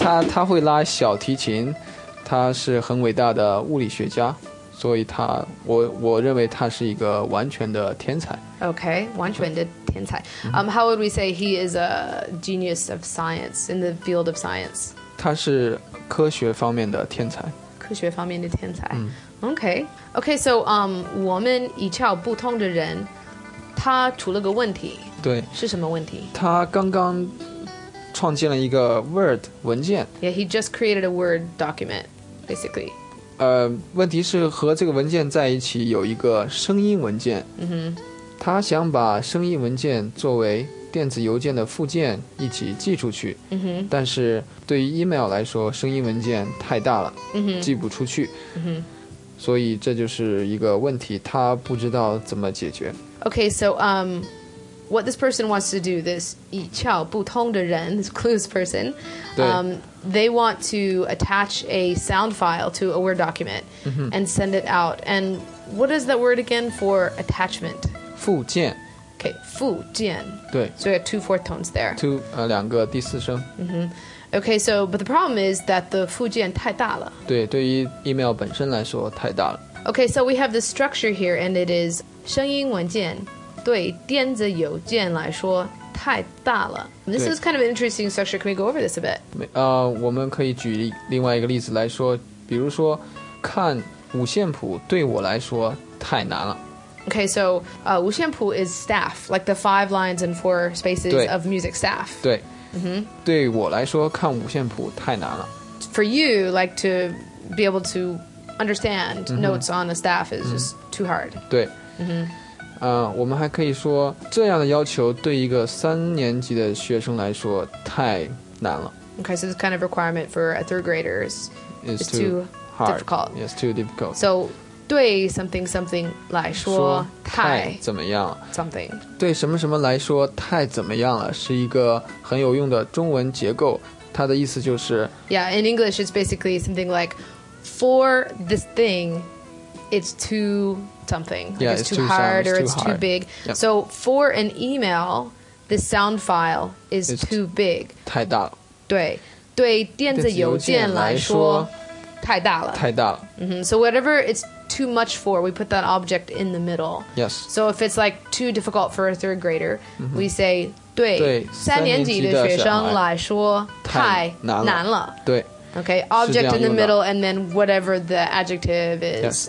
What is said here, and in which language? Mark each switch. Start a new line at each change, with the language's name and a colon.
Chinese: 他会拉小提琴，他是很伟大的物理学家，所以他我认为他是一个完全的天才。 Okay, 完全的天才。
English: How would we say he is a genius of science in the field of science?
Chinese: 他是科学方面的天才。科学方面的天才。嗯。
English: Okay. Okay, so
Chinese: 我们一窍不通的人他出了个问题。对。是什么问题？他刚刚创建了一个 Word 文件。
English: Yeah, he just created a Word document, basically.
Chinese: 问题是和这个文件在一起有一个声音文件。嗯哼。他想把声音文件作为电子邮件的附件一起寄出去。嗯哼。但是对于 email 来说声音文件太大了。嗯哼。寄不出去。嗯哼。所以这就是一个问题，他不知道怎么解决。
English: Okay, so what this person wants to do, this
Chinese: 一窍不通的人,
English: this clueless person, they want to attach a sound file to a Word document and send it out. And what is that word again for attachment?
Chinese: 附件. Okay, 附件. 对.
English: So we have two fourth tones there.
Chinese: 两个第四声。 Mm-hmm.
English: Okay, so, but the problem is that the
Chinese: 附件太大了。对，对于 email 本身来说太大了。
English: Okay, so we have the structure here, and it is
Chinese: 声音文件对电子邮件来说太大了。
English: This is kind of an interesting structure. Can we go over this a bit?
Chinese: 我们可以举另外一个例子来说，比如说看五线谱对我来说太难了。
English: Okay, so, 五线谱 is staff, like the five lines and four spaces of music staff.
Chinese: 对。 Mm-hmm. 对我来说看五线谱太难了。
English: For you, like to be able to understand notes on a staff is just too hard.
Chinese: 对。 Mm-hmm. 我们还可以说这样的要求对一个三年级的学生来说太难了。
English: Okay, so this kind of requirement for a third grader is too hard. Difficult. Yes, too difficult. So, 对 something 来
Chinese: 说太怎么样了
English: something
Chinese: 对什么什么来说太怎么样了是一个很有用的中文结构它的意思就是
English: Yeah, in English it's basically something like For this thing, it's too something like, Yeah, it's too hard or it's too big、 yeah. So for an email, this sound file is too big
Chinese: 太大了对对电子邮件来说太大了太大了、 mm-hmm.
English: So whatever it's too much for, we put that object in the middle. Yes. So if it's like too difficult for a third grader,、mm-hmm. we say
Chinese: 对三年级的学生来说太难了。难了对。
English: Okay, object in the middle and then whatever the adjective is.